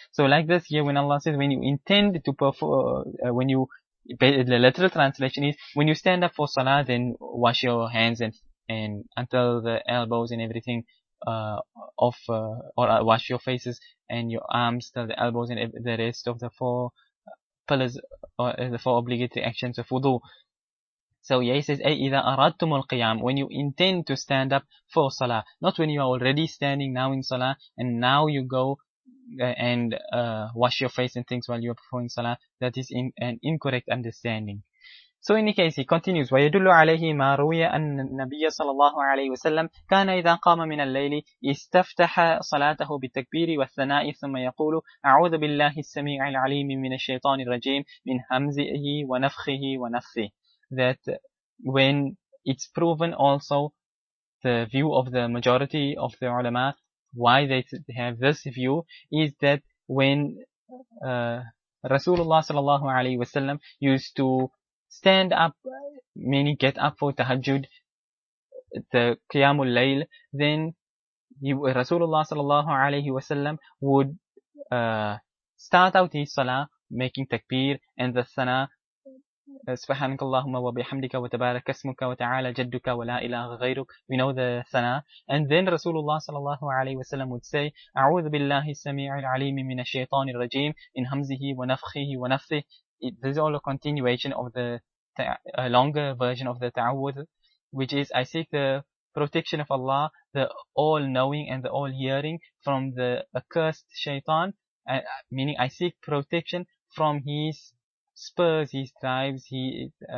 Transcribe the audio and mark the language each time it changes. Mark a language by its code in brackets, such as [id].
[en] So like this here, when Allah says when you intend to perform, when you, the literal translation is when you stand up for salah, then wash your hands and until the elbows and everything off, or wash your faces and your arms till the elbows and the rest of the four pillars, or the four obligatory actions of wudu. So yeah, he says, [ar] إِذَا أَرَدْتُمُ الْقِيَامِ, [en] when you intend to stand up for salah, not when you are already standing now in salah and now you go and wash your face and things while you are performing salah, that is in an incorrect understanding. So in any case, he continues, [ar] وَيَدُلُّ عَلَيْهِ مَا رُوِيَ أَنَّ النَّبِيَّ صَلَى اللَّهُ عَلَيْهِ وَسَلَّمَ كَانَ إِذَا قَامَ مِنَ اللَّيْلِ إِسْتَفْتَحَ صَلَاتَهُ بِالتَّكْبِيرِ وَالثَّنَاءِ ثُمَّ يَقُولُ أَعُوذُ بِاللَّهِ السَّمِيعِ الْعَلِيمِ مِنَ الشَّيْطَانِ الرَّجِيمِ مِنْ هَمْزِهِ وَنَفْخِهِ وَنَفْثِهِ. [en] That when it's proven also the view of the majority of the ulama, why they have this view, is that when Rasulullah sallallahu alayhi wasallam used to stand up, meaning get up for tahajjud, the qiyamul layl, then Rasulullah sallallahu alayhi wasallam would start out his salah making takbir and the sana. [ar] سبحانك اللهم وبحمدك وتبارك اسمك وتعالى جدك ولا إله غيرك. [en] We know the thana. And then Rasulullah sallallahu alayhi wa sallam would say, [ar] أعوذ بالله السميع العليم من الشيطان الرجيم من همزه ونفخه ونفثه. [en] This is all a continuation of the a longer version of the ta'awudh, which is, I seek the protection of Allah, the all-knowing and the all-hearing, from the accursed shaitan, meaning I seek protection from his spurs, he strives, he